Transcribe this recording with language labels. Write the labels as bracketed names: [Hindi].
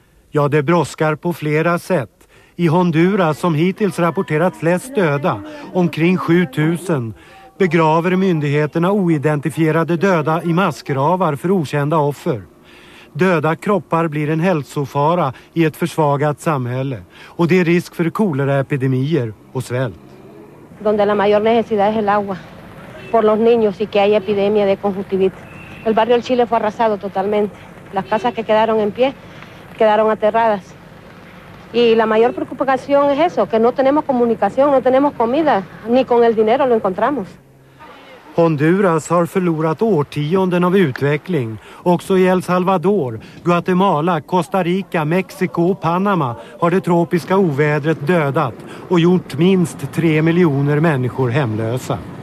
[Swedish] Ja, det brådskar på flera sätt. I Honduras, som hittills rapporterat flest döda, omkring 7000, begraver myndigheterna oidentifierade döda i massgravar för okända offer. Döda kroppar blir en hälsofara i ett försvagat samhälle, och det är risk för koleraepidemier och svält. [Spanish] Donde la mayor necesidad es el agua por los niños y que hay epidemia de conjuntivitis. El barrio El Chile fue arrasado totalmente. Las casas que quedaron en pie quedaron aterradas. Y la mayor preocupación es eso, que no tenemos comunicación, no tenemos comida, ni con el dinero lo encontramos. [Swedish] Honduras har förlorat årtionden av utveckling. Också i El Salvador, Guatemala, Costa Rica, Mexiko och Panama har det tropiska ovädret dödat och gjort minst 3 miljoner människor hemlösa.